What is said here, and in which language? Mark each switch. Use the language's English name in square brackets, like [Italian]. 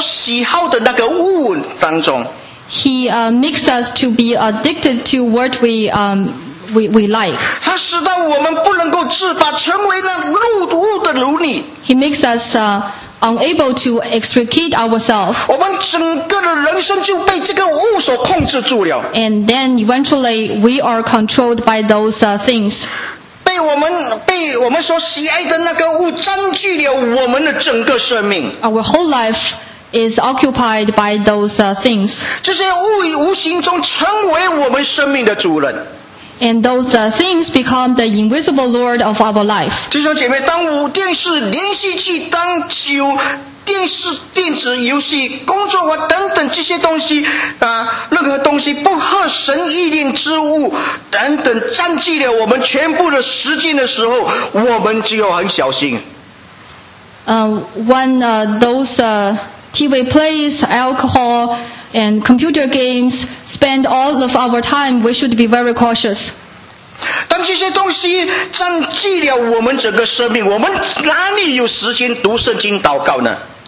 [Chinese] 他让我们沉迷在我们所喜好的那个物当中。 [English] He makes us to be addicted to what we like. [Chinese] 他使得我们不能够自拔，成为那物的奴隶。 [English] He makes us unable to extricate ourselves. [Chinese] 我们整个人生就被这个物所控制住了。 [English] And then eventually we are controlled by those things. [Chinese] 被我们所喜爱的那个物占据了我们的整个生命。 [English] Our whole life is occupied by those things. [Chinese] 这些物以无形中成为我们生命的主人。 [English] And those things become the invisible Lord of our life. [Chinese] 弟兄姐妹，当无电视、连续剧、当酒、电视、电子游戏、工作或等等这些东西啊，任何东西不合神意念之物等等，占据了我们全部的时间的时候，我们就要很小心。 [English] When those TV plays, alcohol, and computer games spend all of our time, we should be very cautious. [Chinese] 当这些东西占据了我们整个生命，我们哪里有时间读圣经祷告呢？